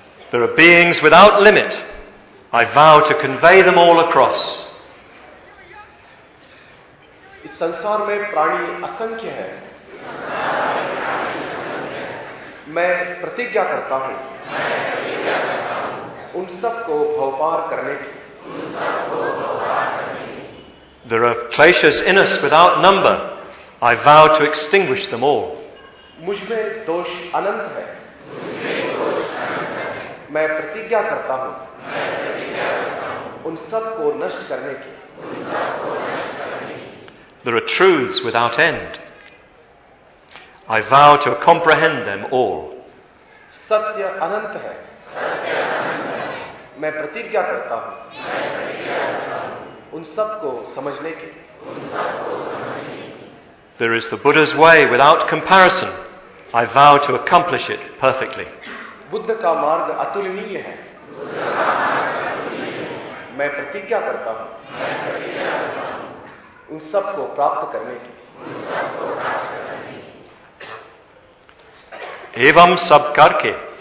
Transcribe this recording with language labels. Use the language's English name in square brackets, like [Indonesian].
[English] There are beings without limit. I vow to convey them all across. [Hindi] इस संसार में प्राणी असंख्य हैं. मैं प्रतिज्ञा करता हूँ उन सबको भवपार करने की. [English] There are kleshas in us without number. I vow to extinguish them all. [Hindi] मुझमें दोष अनंत है. मैं प्रतिज्ञा करता हूँ उन सबको नष्ट करने की. [English] There are truths without end. I vow to comprehend them all. [Hindi] सत्य अनंत है. मैं प्रतिज्ञा करता हूँ उन सबको समझने की. [English] There is the Buddha's way without comparison. I vow to accomplish it perfectly. [Hindi] Buddha का मार्ग अतुलनीय है. मैं प्रतिज्ञा करता हूँ उन सबको प्राप्त करने की. एवं सब करके